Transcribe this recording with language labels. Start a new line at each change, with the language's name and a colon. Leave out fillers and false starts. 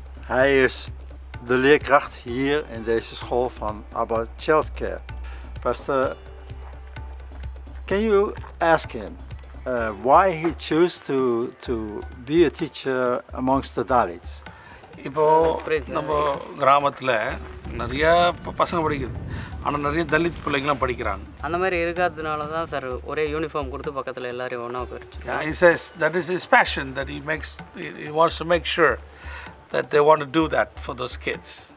Dutch: Hij is de leerkracht hier in deze school van Abba Child Care.
English: Pastor, can you ask him why he chose to be a teacher amongst the Dalits?
Tamil: இப்போ நம்ம கிராமத்துல நிறைய பசங்க படிக்குது. ஆனா நிறைய தலித் பிள்ளைங்க எல்லாம் படிக்கிறாங்க. அந்த மாதிரி இருக்கிறதுனால தான் சார் ஒரே யூனிஃபார்ம் கொடுத்து பக்கத்துல எல்லாரும் ஒண்ணா உட்கார்ந்துச்சாங்க.
English: He says that is his passion that he wants to make sure that they want to do that for those kids.